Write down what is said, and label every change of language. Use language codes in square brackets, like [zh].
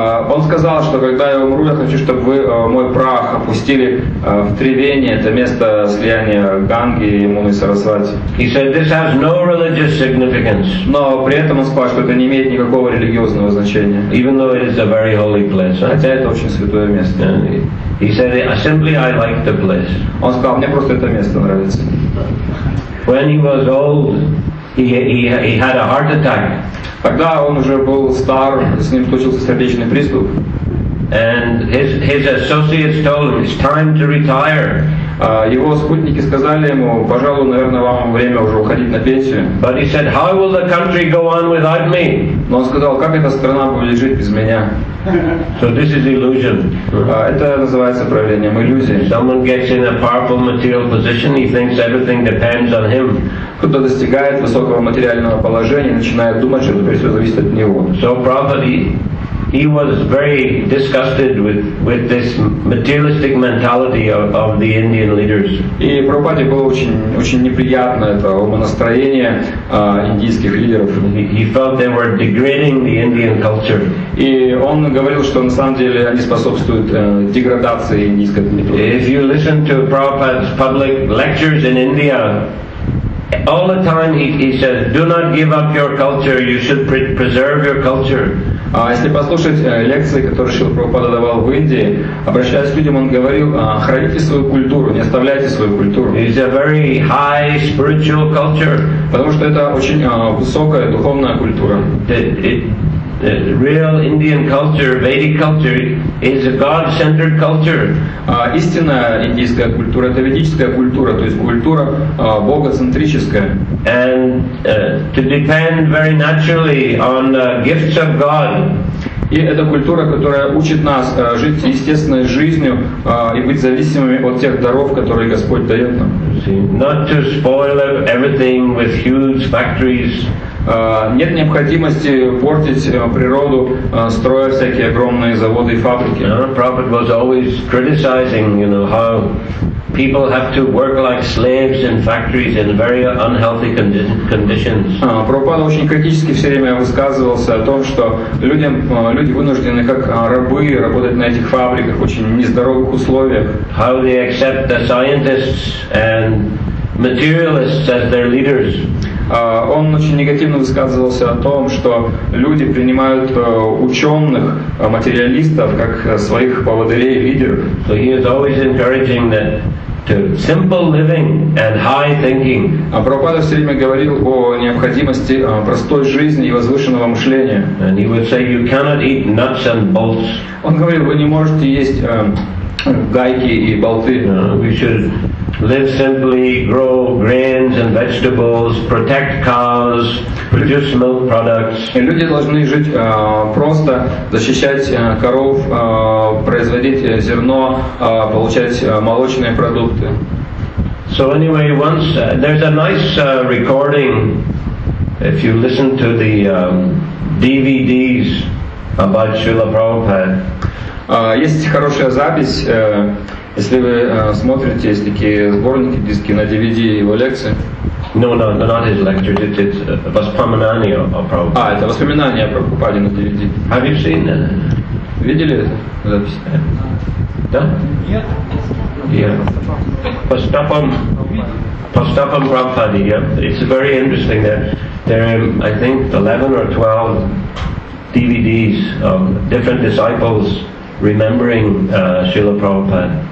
[ru] Он сказал, что когда я умру, я хочу, чтобы вы мой прах опустили в Тривени, это место слияния Ганги и Муны Сарасвати. [en] He said this has no religious significance. [ru] Но при этом он сказал, что это не имеет никакого религиозного значения. [en] Even though it is a very holy place. [ru] Хотя это очень святое место. [en] And he said simply I like the place. [ru] Он сказал, мне просто это место нравится. [en] When he was old, he had a heart attack. [ru] Тогда он уже был стар, с ним случился сердечный приступ. [en] And his associates told him it's time to retire. [ru] Его спутники сказали ему, пожалуй, наверное, вам время уже уходить на пенсию. [en] But he said, how will the country go on without me? [ru] Но он сказал, как эта страна будет жить без меня? [en] So this is illusion. [ru] Это называется правлением, иллюзия. [en] Someone gets in a powerful material position, he thinks everything depends on him. [ru] Кто-то достигает высокого материального положения, начинает думать, что теперь все зависит от него. [en] So probably he was very disgusted with this materialistic mentality of the Indian leaders. [ru] И Прабхупаде было очень неприятно это умонастроение индийских лидеров. [en] He felt they were degrading the Indian culture. [ru] И он говорил, что на самом деле они способствуют деградации индийской культуры. [en] If you listen to Prabhupada's public lectures in India, all the time he says, do not give up your culture, you should preserve your culture. [ru] Если послушать лекции, которые Шрила Прабхупада давал в Индии, обращаясь к людям, он говорил, храните свою культуру, не оставляйте свою культуру. [en] It's a very high spiritual culture. [ru] Потому что это очень высокая духовная культура. [en] The real Indian culture, Vedic culture, is a God-centered culture. [ru] Истинная индийская культура — это ведическая культура, то есть культура богоцентрическая. [en] And to depend very naturally on the gifts of God. [ru] И это культура, которая учит нас жить естественной жизнью и быть зависимыми от тех даров, которые Господь дает нам. [en] Not to spoil everything with huge factories. [ru] Нет необходимости портить природу, строя всякие огромные заводы и фабрики. [en] Prabhupada was always criticizing, you know, how people have to work like slaves in factories in very unhealthy conditions. [ru] Прабхупада очень критически все время высказывался о том, что люди вынуждены как рабы работать на этих фабриках в очень нездоровых условиях. [en] How they accept the scientists and materialists as their leaders. [ru] Он очень негативно высказывался о том, что люди принимают ученых, материалистов, как своих поводырей, лидеров. [en] So he is always encouraging that to simple living and high thinking. [ru] Прабхупада все время говорил о необходимости простой жизни и возвышенного мышления. [en] And he would say, you cannot eat nuts and bolts. [ru] Он говорил, вы не можете есть гайки и болты. [en] We should live simply, grow grains and vegetables, protect cows, produce milk products. [ru] И люди должны жить просто, защищать коров, производить зерно, получать молочные продукты. [en] So anyway, once there's a nice recording, if you listen to the DVDs about Srila Prabhupada. [ru] Есть хорошая запись, если вы смотрите, есть такие сборники, диски на DVD его лекции. [en] No, not his lectures, it's [ru] воспоминания о Прабхупаде. Это воспоминания о Прабхупаде на DVD. [en] Have you seen that? [ru] Видели эту запись? Да? Нет. По стопам Прабхупады, yeah. [en] It's very interesting that there are, I think, 11 or 12 DVDs of different disciples remembering Srila Prabhupada.